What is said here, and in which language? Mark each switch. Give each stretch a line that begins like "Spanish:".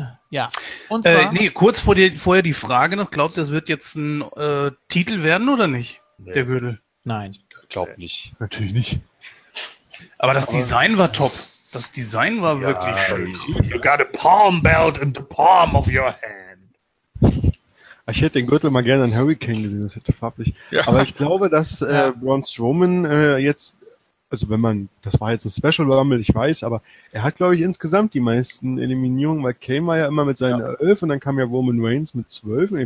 German: Ja, und zwar... kurz vorher die Frage noch. Glaubt ihr, das wird jetzt ein Titel werden oder nicht, nee. Der Gürtel? Nein. Glaubt nicht. Natürlich nicht. Aber das Design war top. Das Design war wirklich schön.
English: You got a palm belt in the palm of your hand.
German: Ich hätte den Gürtel mal gerne an Hurricane gesehen, das hätte farblich. Ja. Aber ich glaube, dass Braun Strowman jetzt, also wenn man, das war jetzt ein Special Rumble, ich weiß, aber er hat, glaube ich, insgesamt die meisten Eliminierungen, weil Kane war ja immer mit seinen 11 und dann kam ja Roman Reigns mit 12 und